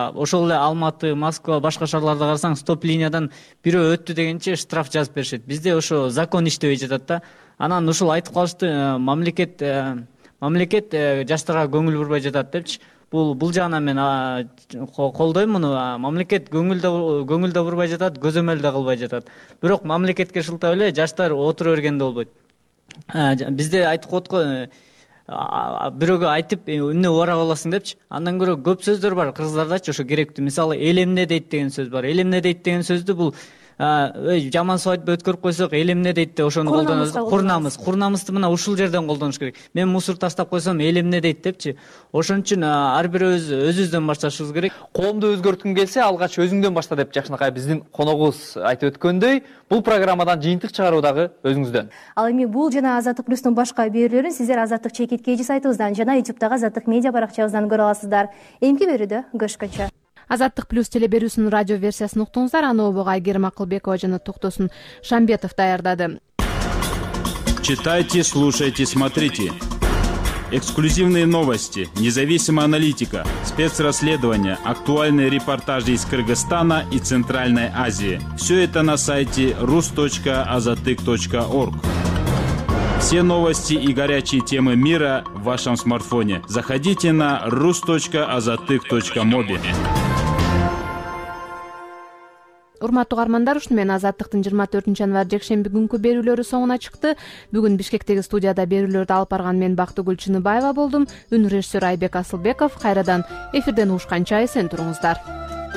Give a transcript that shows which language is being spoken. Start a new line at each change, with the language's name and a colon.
Kyrgyz: Ошол эле Алматы, Москва, башка шаарларда карасаң стоп линиядан бирөө өттү дегенче штраф жазып беришет. Бизде ошо закон иштебей жатат да. Анан ушул айтып калышты, мамлекет жаштарга көңүл бурбай жатат депчи. Бул жагынан мен колдойм муну. Мамлекет көңүл да бурбай жатат, көзөмөл да кылбай жатат. Бирок мамлекетке шылтап эле жаштар отура берген да болбойт. Бизде айтып коткон бирөөгө айтып эмне убарап аласың депчи. Андан көрө көп сөздөр бар кыргыздардачы, ошо керектүү. Мисалы эл эмне дейт деген сөз бар. Эл эмне дейт деген сөздү бул жаман свадьба өткөрүп койсок эл эмне дейт деп ошону колдонобуз. Курнамыз. Курнамызды мына ушул жерден колдонуш керек. Мен мусор таштап койсом эл эмне дейт депчи. Ошон үчүн ар бирөөбүз өзүбүздөн башташыбыз керек. Коомду өзгөрткүң келсе алгач өзүңдөн башта деп жакшынакай биздин коногубуз айтып өткөндөй, бул программадан жыйынтык чыгаруу дагы өзүңүздөн. Ал эми бул жана Азаттык плюстун башка берүүлөрүн сиздер Азаттык чекит KG сайтыбыздан жана YouTube-дагы Азаттык медиа баракчабыздан көрө аласыздар. Эмки берүүдө көрүшкөнчө. Азаттык плюс телеберүүсүнүн радио версиясын уктуңуздар. Аны обого Айгерим Акылбекова жана Токтосун Шамбетов даярдады.
Russian: Читайте, слушайте, смотрите. Эксклюзивные новости, независимая аналитика, спецрасследования, актуальные репортажи из Кыргызстана и Центральной Азии. Все это на сайте rus.azatyk.org. Все новости и горячие темы мира в вашем смартфоне. Заходите на rus.azatyk.mobi.
Kyrgyz: Урматтуу каармандар, ушуну менен Азаттыктын 24-январ жекшемби күнкү берүүлөрү соңуна чыкты. Бүгүн Бишкектеги студияда берүүлөрдү алып барган мен Бактыгүл Чыныбаева болдум. Үн режиссер Айбек Асылбеков. Кайрадан эфирден ушканча эсен туруңуздар.